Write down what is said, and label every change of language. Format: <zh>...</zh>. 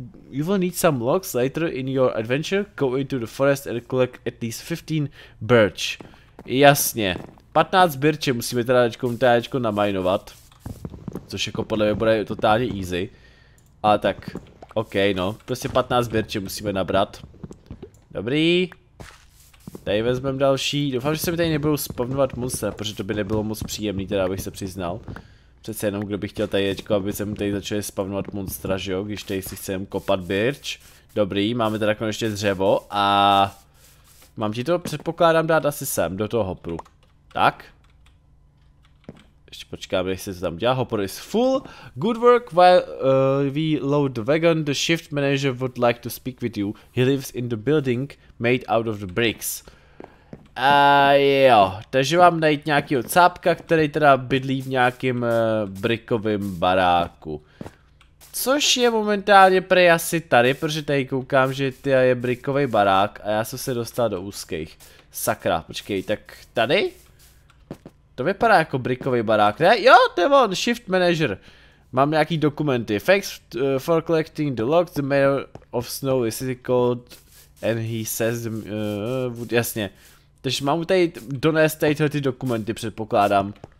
<en>You will need some logs later in your adventure. Go into the forest and collect at least 15 birch.</en> <cs>Jasně, 15 birče musíme teda teďko namajnovat. Což jako podle mě bude totálně easy. Ale tak, ok, no, prostě 15 birče musíme nabrat. Dobrý. Tady vezmeme další, doufám, že se mi tady nebudou spawnovat monstra, protože to by nebylo moc příjemný, teda abych se přiznal. Přece jenom, kdo by chtěl tady teďko, aby se mi tady začali spawnovat monstra, že jo, když tady si chceme kopat birč. Dobrý, máme teda konečně dřevo a mám ti to, předpokládám, dát asi sem, do toho hopru. Tak. Ještě počkáme, jestli se tam dělá.</cs> <en>Hopper is full. Good work while we load the wagon. The shift manager would like to speak with you. He lives in the building made out of the bricks.</en> <cs>A jo, takže mám najít nějakého cápka, který teda bydlí v nějakém brikovém baráku. Což je momentálně prej asi tady, protože tady koukám, že je brikový barák a já jsem se dostal do úzkých. Sakra, počkej, tak tady? To vypadá jako brikový barák, ne? Jo, to je on, shift manager. Mám nějaký dokumenty.</cs> <en>Thanks for collecting the logs. The mayor of snow is called and he says the, jasně.</en> <cs>Takže mám tady donést tady ty dokumenty, předpokládám.</cs>